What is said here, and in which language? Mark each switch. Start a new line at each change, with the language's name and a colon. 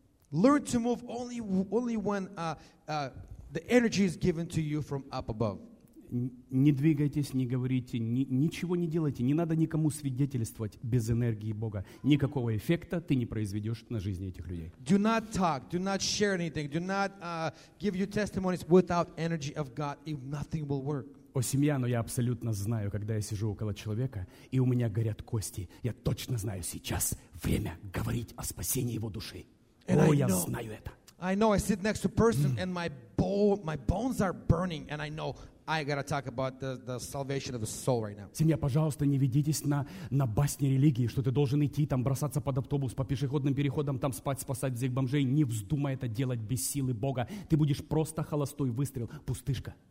English: Learn to move only when the energy is given to you from up above.
Russian: Не двигайтесь, не говорите, ничего не делайте. Не надо никому свидетельствовать без энергии Бога. Никакого эффекта ты не произведешь на жизни этих людей.
English: Do not talk, do not share anything, do not give your testimonies without energy of God, if nothing will work.
Russian: О, семья, но я абсолютно знаю, когда я сижу около человека, и у меня горят кости, я точно знаю, сейчас время говорить о спасении его души.
English: And
Russian: о,
English: I
Russian: я
English: know.
Russian: Знаю это.
English: I know, I sit next to a person, and my bones are burning, and I know I gotta talk about the salvation of the soul right now.
Russian: Семья, пожалуйста, не ведитесь на басни религии, что ты должен идти там, бросаться под автобус, по пешеходным переходам, там спать, спасать всех бомжей. Не вздумай это делать без силы Бога. Ты будешь просто холостой выстрел, пустышка.